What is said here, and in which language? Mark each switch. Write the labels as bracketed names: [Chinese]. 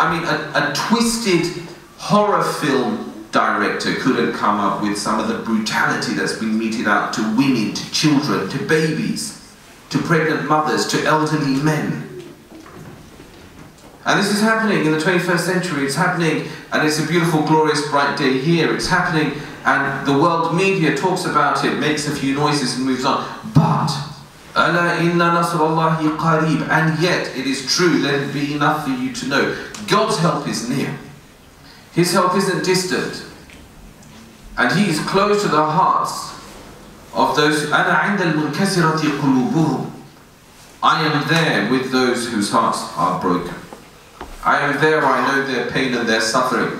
[English] I mean, a twisted horror film director couldn't come up with some of the brutality that's been meted out to women, to children, to babies, to pregnant mothers, to elderly men. And this is happening in the 21st century. It's happening, and it's a beautiful, glorious, bright day here. It's happening, and the world media talks about it, makes a few noises and moves on. But, [Arabic] أَلَا إِنَّ نَصْرَ اللَّهِ قَرِيبٌ. [English] And yet, it is true, let it be enough for you to know, God's help is near. His help isn't distant. And He is close to the hearts of those, [Arabic] أَنَا عِنْدَ الْمُنْكَسِرَةِ قُلُوبُهُمْ. [English] I am there with those whose hearts are broken. I am there, I know their pain and their suffering.